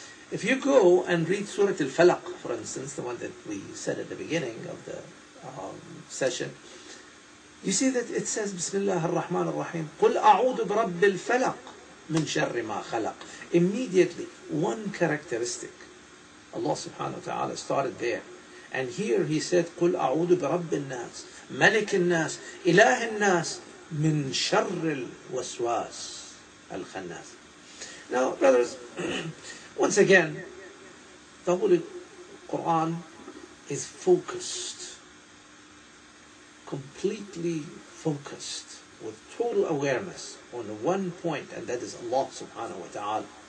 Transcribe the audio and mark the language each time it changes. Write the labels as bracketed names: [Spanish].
[English] If you go and read Surah Al-Falaq, for instance, the one that we said at the beginning of the session, you see that it says, Bismillah ar-Rahman ar-Rahim, [Arabic] قُلْ أَعُوذُ بِرَبِّ الْفَلَقِ مِنْ شَرِّ مَا خَلَقِ. [English] Immediately, one characteristic, Allah subhanahu wa ta'ala started there. And here he said, [Arabic] قُلْ أَعُوذُ بِرَبِّ النَّاسِ, مَلِكِ النَّاسِ, إِلَهِ النَّاسِ, مِنْ شَرِّ الْوَسْوَاسِ الْخَنَّاسِ. [English] Now, brothers, once again, the Holy Quran is focused, completely focused, with total awareness on one point, and that is Allah subhanahu wa ta'ala.